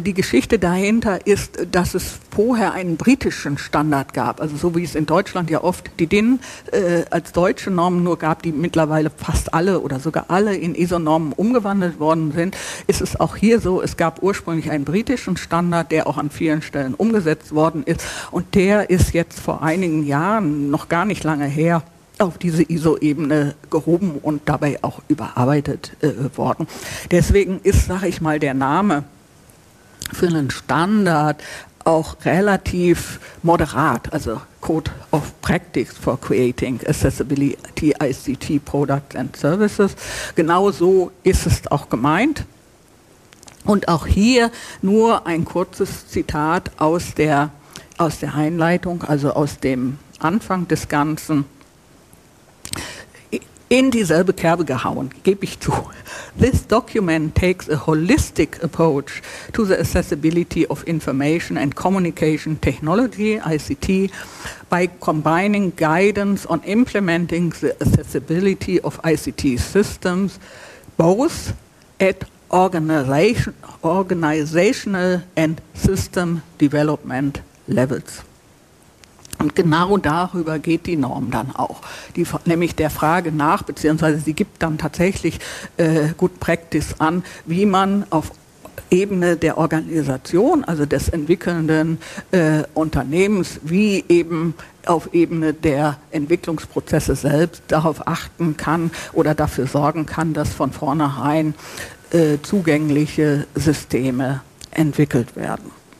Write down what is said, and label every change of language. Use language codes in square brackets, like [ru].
[de] Die Geschichte dahinter ist, dass es vorher einen britischen Standard gab, also so wie es in Deutschland ja oft die DIN als deutsche Normen nur gab, die mittlerweile fast alle oder sogar alle in ISO-Normen umgewandelt worden sind, ist es auch hier so, es gab ursprünglich einen britischen Standard, der auch an vielen Stellen umgesetzt worden ist und der ist jetzt vor einigen Jahren, noch gar nicht lange her, auf diese ISO-Ebene gehoben und dabei auch überarbeitet worden. Deswegen ist, sage ich mal, der Name für einen Standard auch relativ moderat, also [en] Code of Practice for Creating Accessibility ICT Products and Services. [de] Genau so ist es auch gemeint. Und auch hier nur ein kurzes Zitat aus der Einleitung, also aus dem Anfang des Ganzen. In dieselbe Kerbe gehauen, gebe ich zu. [en] This document takes a holistic approach to the accessibility of information and communication technology, ICT, by combining guidance on implementing the accessibility of ICT systems, both at organizational and system development levels. [de] Und genau darüber geht die Norm dann auch, nämlich der Frage nach, beziehungsweise sie gibt dann tatsächlich Good Practice an, wie man auf Ebene der Organisation, also des entwickelnden Unternehmens, wie eben auf Ebene der Entwicklungsprozesse selbst darauf achten kann oder dafür sorgen kann, dass von vornherein zugängliche Systeme entwickelt werden.